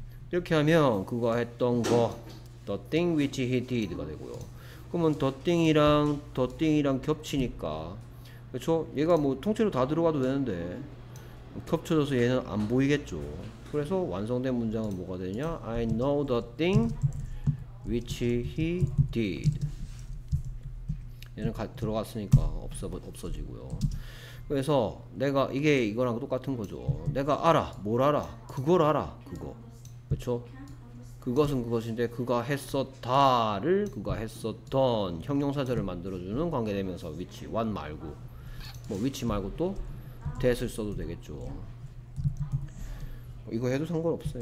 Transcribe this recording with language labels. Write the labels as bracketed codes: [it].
[ko] 이렇게 하면 그가 했던 거 [en] the thing which he did [ko] 가 되고요. 그러면 the thing이랑 겹치니까 그렇죠? 얘가 뭐 통째로 다 들어가도 되는데 겹쳐져서 얘는 안 보이겠죠. 그래서 완성된 문장은 뭐가 되냐? [en] I know the thing which he did. [ko] 얘는 들어갔으니까 없어지고요. 그래서 내가 이게 이거랑 똑같은 거죠. 내가 알아, 뭘 알아? 그걸 알아, 그거. 그렇죠? 그것은 그것인데 그가 했었다를 그가 했었던 형용사절을 만들어주는 관계대명사 which, what 말고 뭐 which 말고 또 that을 써도 되겠죠. 이거 해도 상관없어요.